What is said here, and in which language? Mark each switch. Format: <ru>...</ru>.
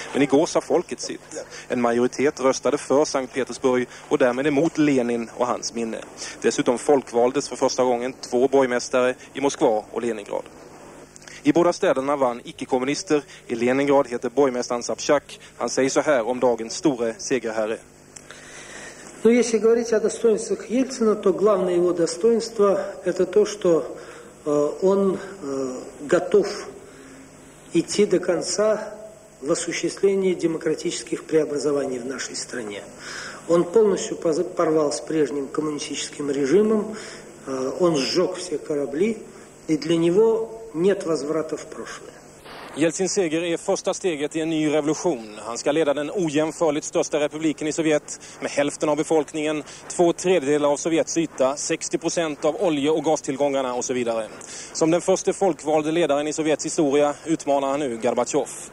<sv>Men igår sa folket sitt. En majoritet röstade för Sankt Petersburg och därmed emot Lenin och hans minne. Dessutom folkvaldes för första gången två borgmästare i Moskva och Leningrad. I båda städerna vann icke-kommunister. I Leningrad heter borgmästaren Sapchak. Han säger så här om dagens store segerherre.</sv> <ru>Ну, если говорить о достоинствах Ельцина, то главное его достоинство это то, что он готов идти до конца в осуществлении демократических преобразований в нашей стране. Он полностью порвал с прежним коммунистическим режимом. Он сжег все корабли и для него нет возврата в прошлое.</ru> <sv>Jeltsins seger är första steget i en ny revolution. Han ska leda den ojämförligt största republiken i Sovjet med hälften av befolkningen, två tredjedelar av Sovjets yta, 60% av olje- och gastillgångarna och så vidare. Som den första folkvalde ledaren i Sovjets historia utmanar han nu Gorbatjov.</sv>